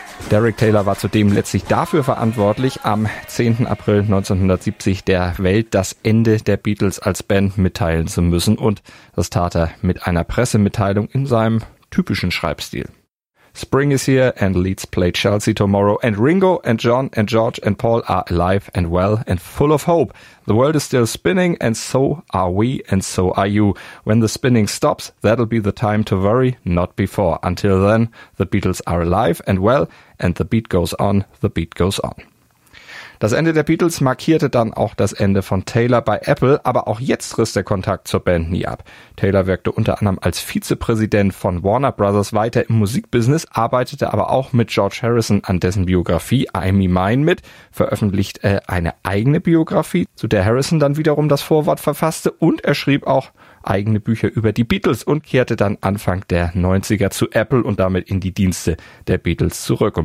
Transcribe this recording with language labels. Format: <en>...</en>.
<de>Derek Taylor war zudem letztlich dafür verantwortlich, am 10. April 1970 der Welt das Ende der Beatles als Band mitteilen zu müssen. Und das tat er mit einer Pressemitteilung in seinem typischen Schreibstil.</de> <en>Spring is here and Leeds played Chelsea tomorrow and Ringo and John and George and Paul are alive and well and full of hope. The world is still spinning and so are we and so are you. When the spinning stops, that'll be the time to worry, not before. Until then, the Beatles are alive and well and the beat goes on, the beat goes on.</en> <de>Das Ende der Beatles markierte dann auch das Ende von Taylor bei Apple, aber auch jetzt riss der Kontakt zur Band nie ab. Taylor wirkte unter anderem als Vizepräsident von Warner Brothers weiter im Musikbusiness, arbeitete aber auch mit George Harrison an dessen Biografie Amy Mine mit, veröffentlicht eine eigene Biografie, zu der Harrison dann wiederum das Vorwort verfasste, und er schrieb auch eigene Bücher über die Beatles und kehrte dann Anfang der 90er zu Apple und damit in die Dienste der Beatles zurück.</de>